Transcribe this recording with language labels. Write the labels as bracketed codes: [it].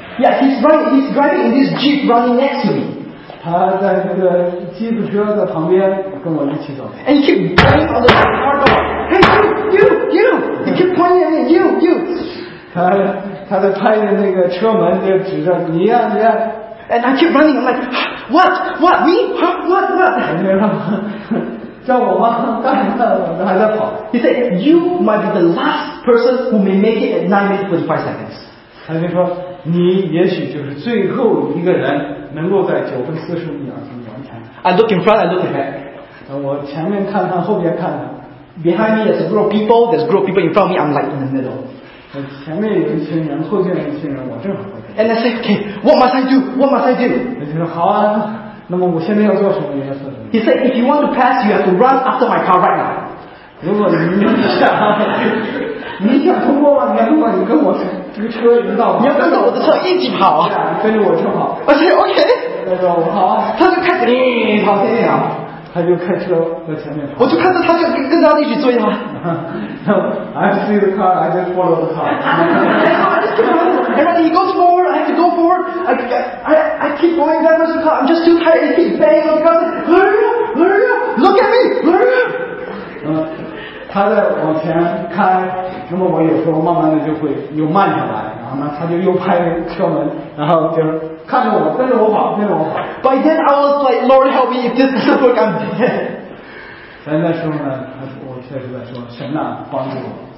[en] Yeah, he's driving in this jeep running next to me. [zh] 他在这个吉普车在旁边跟我一起走。 [en] And he keep pointing on the car door. Hey, you, he keep pointing at me, you. [zh] 他在拍着那个车门就指着你呀、啊、你呀、啊。 [en] And I keep running, I'm like, what, me, huh, what? [zh] 叫我吗？当然了，我还在跑。 [en] He said, you might be the last person who may make it at 9:45. [zh] 他就说，你也许就是最后一个人能够在9:45完成。 [en] I look in front, I look in back. [zh] 我前面看看，后边看看。 [en] Behind me, there's a group of people in front of me, I'm like in the middle. [zh] 前面有一群人，后面有一群人，我正好。 [en] And I said, okay, what must I do? [zh] 他就说好啊，那么我现在要做什么？要做什么？ [en] He said, if you want to pass, you have to run after my car right now. [zh] 如果你想通过吗？你要通过，你跟我这个车一道跑。你要跟着我的车一起跑啊！跟着我车跑。而且 OK。他说好啊，他就开始跑前面啊，他就开车在前面跑。我就看着他就跟着一起追啊。 [en] I see the car, I just follow the car. And then he goes forward, I have to go forward. I keep going down the car, I'm just too tired, I keep banging on the car. Hurry up, look at me, hurry up. [zh] 他在往前开，那么我有时候慢慢的就会又慢下来，然后呢，他就又拍车门，然后就看着我，跟着我跑，跟着我跑。 [en] By then I was like, Lord help me, if this is the work I'm dead. [zh] 在那时候呢，我确实在说，神呐、啊，帮助我。